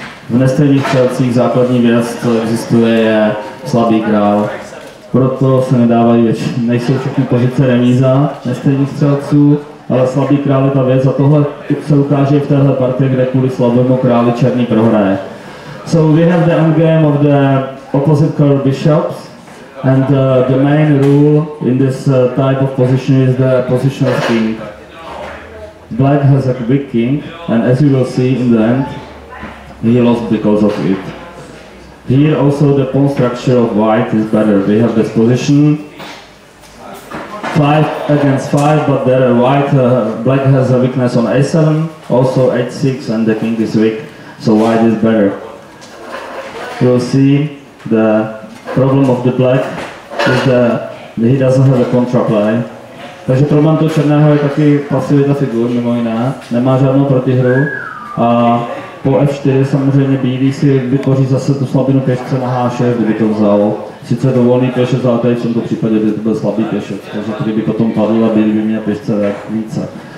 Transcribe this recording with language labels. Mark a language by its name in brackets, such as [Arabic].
[Czech] V nestejných střelcích základní věc, co existuje, je slabý král. Proto se nedávají, nejsou všechny pozice remíza nestejných střelců, ale slabý král je ta věc, a tohle se ukáže v téhle partii, kde kvůli slabému králi černý prohraje. [English] So we have the endgame of the opposite color bishops, and the main rule in this type of position is the position of king. Black has a weak king, and as you will see in the end, he lost because of it. Here also the pawn structure of white is better. We have this position, 5 against 5, but there white, black has a weakness on a7, also h6, and the king is weak, so white is better. You will see the problem of the black is that he doesn't have a contraplay. [Czech] Takže problém toho černého je taky pasivita figur, mimo jiné, nemá žádnou protihru. A po f4 samozřejmě bílý si vytvoří zase tu slabinu pěšce na h6, kdyby to vzal. Sice to volný pěšec, ale tady v tomto případě by to byl slabý pěšec, takže který by potom padl a bílý by měl pěšce více.